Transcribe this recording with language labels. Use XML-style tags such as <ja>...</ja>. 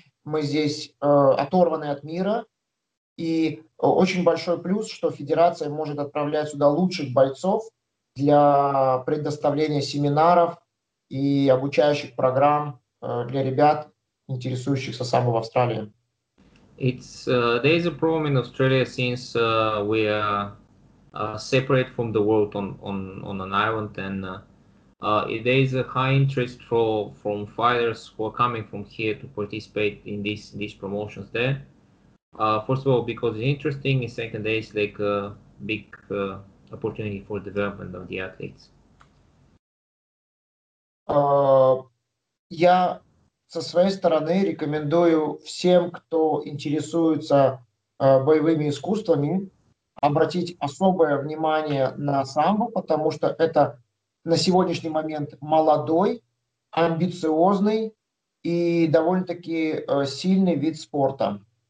<ru>Мы здесь оторваны от мира, и очень большой плюс, что федерация может отправлять сюда лучших бойцов для предоставления семинаров и обучающих программ для ребят, интересующихся самбо в Австралии.</ru> <en>There is a problem in Australia, since we are separate from the world on an island, and there is a high interest from fighters who are coming from here to participate in these promotions there. First of all, because it's interesting, and second, there is like a big opportunity for development of the athletes.</en> <ru>Я со своей стороны рекомендую всем, кто интересуется боевыми искусствами, обратить особое внимание на самбо, потому что это на сегодняшний момент молодой, амбициозный и довольно-таки сильный вид спорта.</ru>